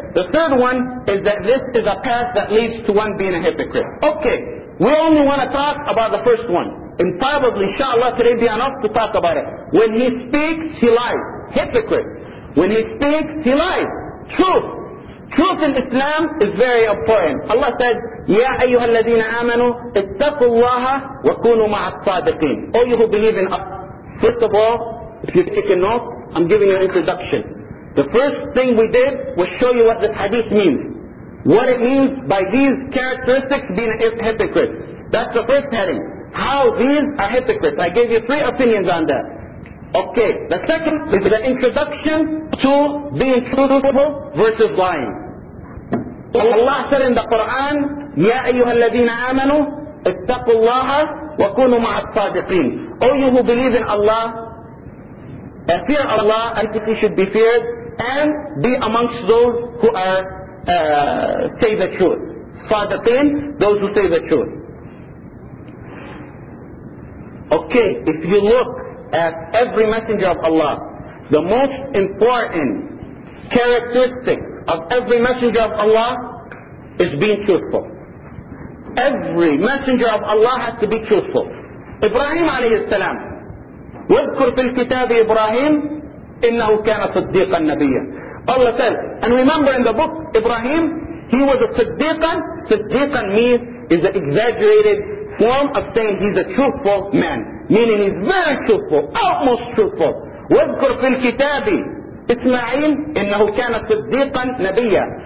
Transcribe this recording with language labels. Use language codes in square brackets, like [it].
[en] The third one is that this is a path that leads to one being a hypocrite. Okay, we only want to talk about the first one. And probably, inshallah, today be enough to talk about it. When he speaks, he lies. Hypocrite. When he speaks, he lies. Truth. Truth in Islam is very important. Allah said, [ar] يَا أَيُّهَا الَّذِينَ آمَنُوا اتَّقُوا اللَّهَ وَكُونُوا مَعَ الصَّادِقِينَ. [en] All you who believe in us. First of all, if you're taking notes, I'm giving you an introduction. The first thing we did was show you what this hadith means. What it means by these characteristics being a hypocrite. That's the first heading. How these are hypocrites. I gave you three opinions on that. Okay, the second is the introduction to being truthful versus lying. Allah said in the Quran, [ar] يَا أَيُّهَا الَّذِينَ آمَنُوا اتَّقُوا اللَّهَ وَكُونُوا مَعَ الصَّادِقِينَ. [en] All you who believe in Allah, fear Allah, and you should be feared, and be amongst those who are say the truth. صادقين, those who say the truth. Okay, if you look at every messenger of Allah, the most important characteristic of every messenger of Allah is being truthful. Every messenger of Allah has to be truthful. [ar] Ibrahim alayhi salam, وَذْكُرْ فِي الْكِتَابِ إِبْرَاهِيمِ إِنَّهُ كَانَ صِدِّيقًا نَبِيًّا. [en] Allah says, and remember in the book Ibrahim, he was a صِدِّيقًا. صِدِّيقًا means is an exaggerated form of saying he's a truthful man. Meaning he's very truthful, almost truthful. [ar] وَذْكُرْ فِي الْكِتَابِ إِسْمَعِيلِ إِنَّهُ كَانَ صِدِّيقًا نَبِيًّا.